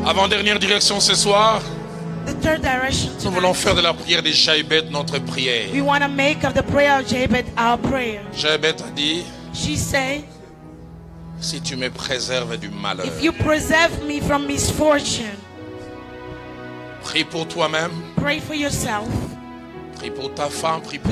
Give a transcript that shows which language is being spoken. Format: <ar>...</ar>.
<fr>Dernière direction ce soir.</fr> <en>The third direction tonight.</en> <fr>Nous voulons faire de la prière de Jabez notre prière.</fr> <en>We want to make of the prayer of Jabez our prayer.</en> <fr>Jabez a dit,</fr> <en>she said,</en> <fr>si tu me préserves du malheur.</fr> <en>If you preserve me from misfortune.</en> <fr>Prie pour toi-même.</fr> <en>Pray for yourself.</en> <fr>Prie pour ta femme, prie pour</fr>